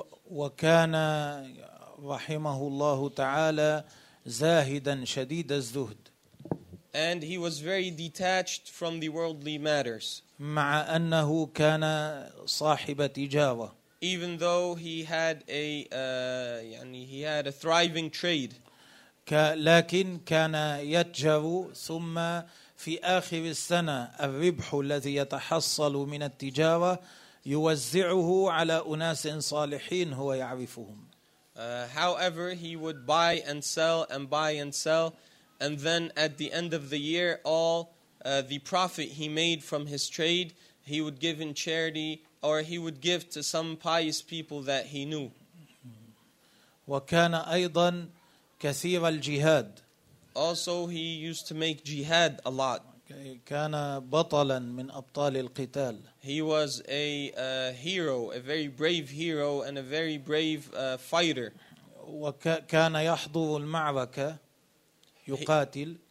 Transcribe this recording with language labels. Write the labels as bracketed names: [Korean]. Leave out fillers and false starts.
[Arabic] وكان رحمه الله تعالى زاهدا شديد الزهد. [English] And he was very detached from the worldly matters. [Arabic] مع أنه كان صاحب تجارة. [English] Even though he had a يعني he had a thriving trade. [Arabic] لكن كان يتجر ثم في آخر السنة الربح الذي يتحصل من التجارة يوزعه على أناس صالحين هو يعرفهم. [English] However, he would buy and sell and buy and sell, and then at the end of the year, all the profit he made from his trade, he would give in charity or he would give to some pious people that he knew. [Arabic] وكان أيضا كثير الجهاد. [English] Also, he used to make jihad a lot. [Arabic] كان بطلا من أبطال القتال. [English] He was a hero, a very brave hero and a very brave fighter. [Arabic] وكان يحضر المعركة يقاتل.